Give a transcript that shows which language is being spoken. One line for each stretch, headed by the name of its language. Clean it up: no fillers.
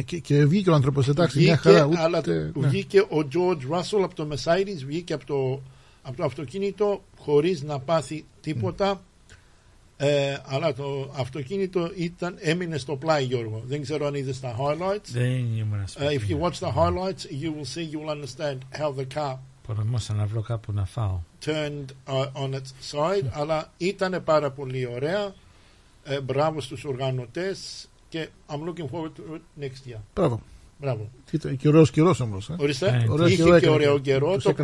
Greek: Και βγήκε ο άνθρωπος, εντάξει, βγήκε, μια χαρά. Ούτε, αλλά, ναι. Βγήκε ο George Russell από το Mercedes, βγήκε από το αυτοκίνητο χωρίς να πάθει τίποτα. Αλλά το αυτοκίνητο ήταν, έμεινε στο πλάι, Γιώργο. Δεν ξέρω αν είδες τα highlights. Δεν ήμουν να
English: If you watch the highlights, you will see, you will understand how the car
Greek: προνομώσα να βρω κάπου να φάω.
English: Turned on its side,
Greek: αλλά ήταν πάρα πολύ ωραία. Μπράβο στους οργανωτές και
English: I'm looking forward to next year.
Greek: Μπράβο. Μπράβο. Ήταν και ωραίος καιρός όμως. Ορίστε. Είχε και ωραίο καιρό.